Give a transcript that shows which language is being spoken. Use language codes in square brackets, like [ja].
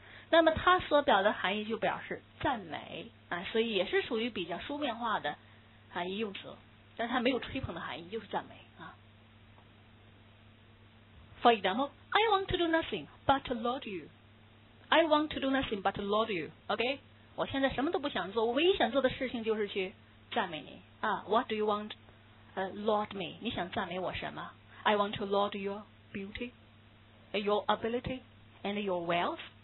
[zh] 那么它所表的含义就表示赞美啊，所以也是属于比较书面化的啊一用词，但它没有吹捧的含义，就是赞美啊。 [en] For example, I want to do nothing but laud you. I want to do nothing but laud you. [zh] OK， 我现在什么都不想做，我唯一想做的事情就是去赞美你啊。 [en] What do you want? Laud me. [zh] 你想赞美我什么 [en] ？I want to laud your beauty, your ability, and your wealth.